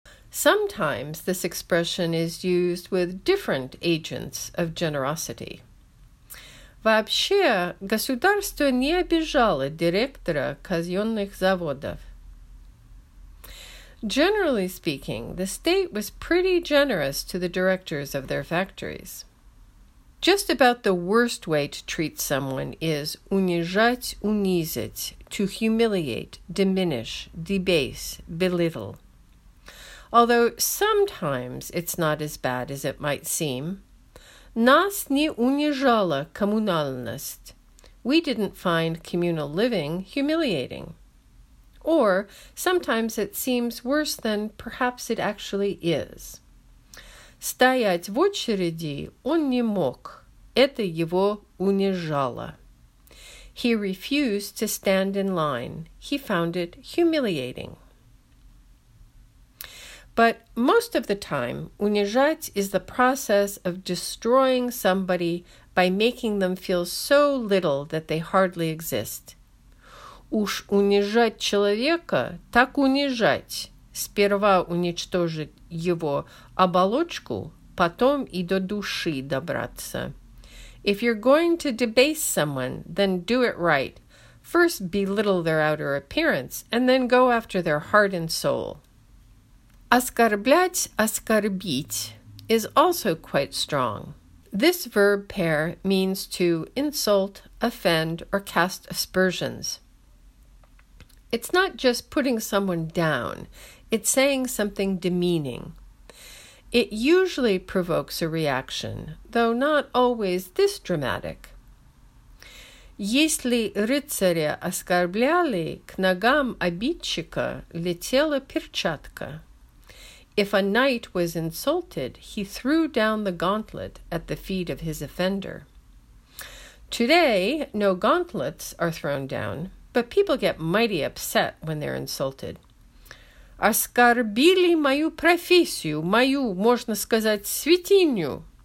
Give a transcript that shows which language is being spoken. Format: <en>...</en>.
<en>Sometimes this expression is used with different agents of generosity.</en> <ru>Вообще, государство не обижало директора казенных заводов.</ru> <en>Generally speaking, the state was pretty generous to the directors of their factories. Just about the worst way to treat someone is унижать, унизить, to humiliate, diminish, debase, belittle. Although sometimes it's not as bad as it might seem.</en> <ru>Нас не унижала коммунальность.</ru> <en>We didn't find communal living humiliating. Or sometimes it seems worse than perhaps it actually is.</en> <ru>Стоять в очереди он не мог. Это его унижало.</ru> <en>He refused to stand in line. He found it humiliating. But most of the time, унижать is the process of destroying somebody by making them feel so little that they hardly exist.</en> <ru>Уж унижать человека, так унижать. Сперва уничтожить его оболочку, потом и до души добраться.</ru> <en>If you're going to debase someone, then do it right. First belittle their outer appearance, and then go after their heart and soul.</en> <ru>Оскорблять, оскорбить</ru> <en>is also quite strong. This verb pair means to insult, offend, or cast aspersions. It's not just putting someone down. It's saying something demeaning. It usually provokes a reaction, though not always this dramatic.</en> <ru>Если рыцаря оскорбляли, к ногам обидчика летела перчатка.</ru> <en>If a knight was insulted, he threw down the gauntlet at the feet of his offender. Today, no gauntlets are thrown down, but people get mighty upset when they're insulted.</en> <ru>Оскорбили мою профессию, мою, можно сказать, святиню.</ru>